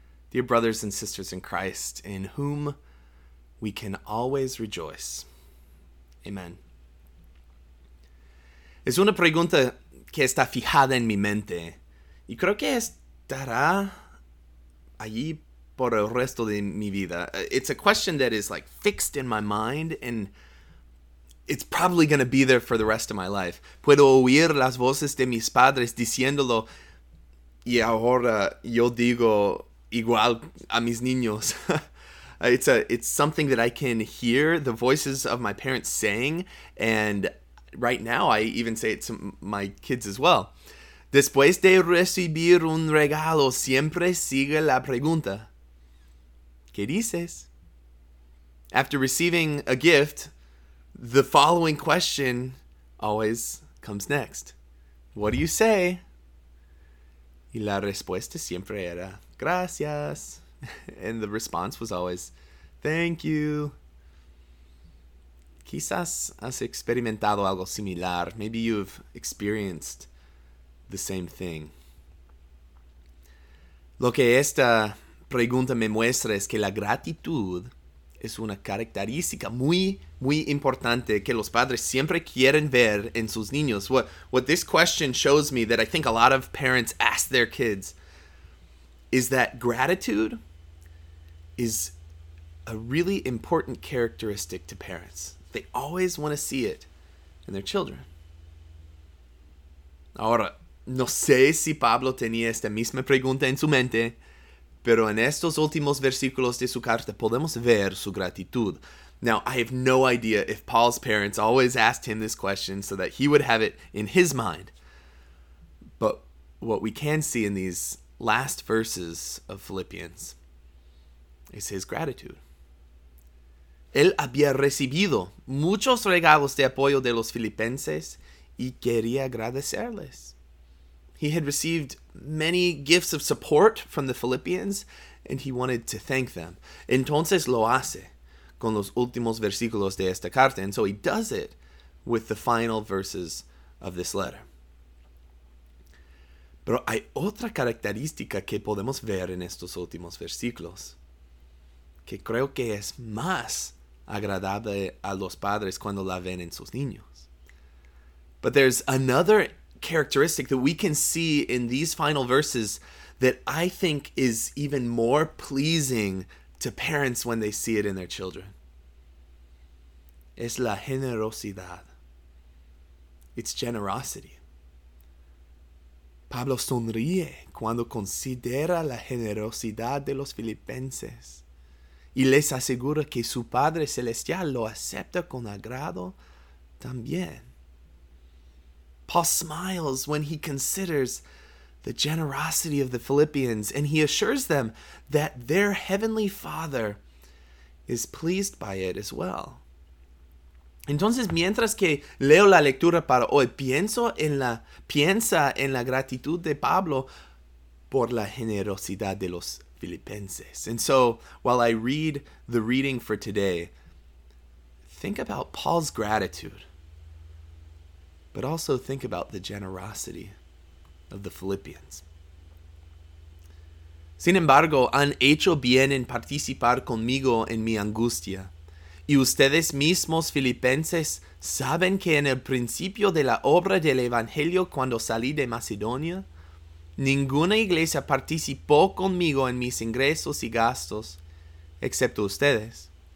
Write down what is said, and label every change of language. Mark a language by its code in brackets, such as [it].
[en] Dear brothers and sisters in Christ, in whom we can always rejoice. Amen. [es] Es una pregunta que está fijada en mi mente y creo que estará allí por el resto de mi vida. [en] It's a question that is like fixed in my mind and it's probably going to be there for the rest of my life. [es] Puedo oír las voces de mis padres diciéndolo y ahora yo digo igual a mis niños. [en] It's something that I can hear the voices of my parents saying, and right now I even say it to my kids as well. [es] Después de recibir un regalo, siempre sigue la pregunta. ¿Qué dices? [en] After receiving a gift, the following question always comes next. What do you say? [es] Y la respuesta siempre era, gracias. [en] And the response was always, thank you. [es] Quizás has experimentado algo similar. [en] Maybe you've experienced the same thing. [es] Lo que esta pregunta me muestra es que la gratitud es una característica muy, muy importante que los padres siempre quieren ver en sus niños. [en] What this question shows me that I think a lot of parents ask their kids is that gratitude is a really important characteristic to parents. They always want to see it in their children. [es] Ahora, no sé si Pablo tenía esta misma pregunta en su mente, pero en estos últimos versículos de su carta podemos ver su gratitud. [en] Now, I have no idea if Paul's parents always asked him this question so that he would have it in his mind. But what we can see in these last verses of Philippians is his gratitude. [es] Él había recibido muchos regalos de apoyo de los filipenses y quería agradecerles. [en] He had received many gifts of support from the Philippians, and he wanted to thank them. [es] Entonces lo hace con los últimos versículos de esta carta, [en] and so he does it with the final verses of this letter. [es] Pero hay otra característica que podemos ver en estos últimos versículos, que creo que es más agradable a los padres cuando la ven en sus niños. [en] But there's another characteristic that we can see in these final verses that I think is even more pleasing to parents when they see it in their children. [es] Es la generosidad. [en] It's generosity. [es] Pablo sonríe cuando considera la generosidad de los filipenses y les asegura que su Padre Celestial lo acepta con agrado también. [en] Paul smiles when he considers the generosity of the Philippians, and he assures them that their heavenly Father is pleased by it as well. [es] Entonces, mientras que leo la lectura para hoy, piensa en la gratitud de Pablo por la generosidad de los filipenses. [en] And so, while I read the reading for today, think about Paul's gratitude. But also think about the generosity of the Philippians. [es] Sin embargo, han hecho bien en participar conmigo en mi angustia. Y ustedes mismos, filipenses, saben que en el principio de la obra del Evangelio cuando salí de Macedonia, ninguna iglesia participó conmigo en mis ingresos y gastos, excepto ustedes.